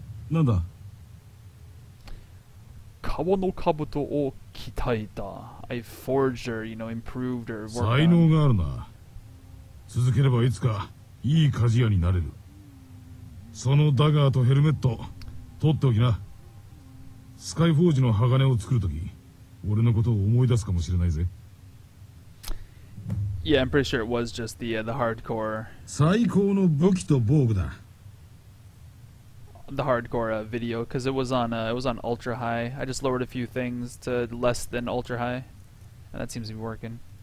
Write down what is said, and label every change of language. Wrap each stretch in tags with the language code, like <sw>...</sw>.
<ja>なんだ? 川の兜を鍛えた。</ja> <en>I forged or, you know, improved or worked</en> <ja>on. 才能があるな。続ければいつかいい鍛冶屋になれる。そのダガーとヘルメット、取っておきな。スカイフォージの鋼を作るとき、俺のことを思い出すかもしれないぜ。</ja> <en>Yeah, I'm pretty sure it was just the hardcore.</en> <ja>最高の武器と防具だ。</ja> <en>The hardcore video, because it was on ultra high. I just lowered a few things to less than ultra high, and that seems to be working.</en>